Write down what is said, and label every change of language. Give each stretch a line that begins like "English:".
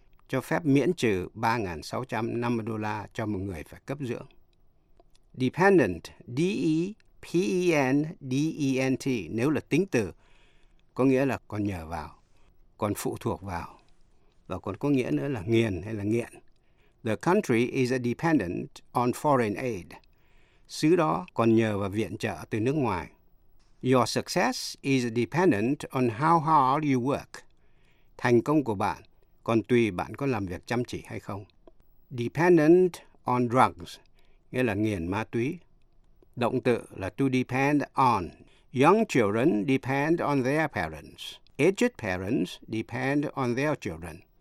Vietnamese: cho phép miễn trừ $3,650 cho một người phải cấp dưỡng. Dependent, D-E-P-E-N-D-E-N-T, nếu là tính từ, có nghĩa là còn nhờ vào, còn phụ thuộc vào, và còn có nghĩa nữa là nghiền hay là nghiện.
English: The country is a dependent on foreign aid.
Vietnamese: Xứ đó còn nhờ vào viện trợ từ nước ngoài.
English: Your success is dependent on how hard you work.
Vietnamese: Thành công của bạn còn tùy bạn có làm việc chăm chỉ hay không.
English: Dependent on drugs,
Vietnamese: nghĩa là nghiền ma túy. Động từ là
English: to depend on. Young children depend on their parents. Aged parents depend on their children.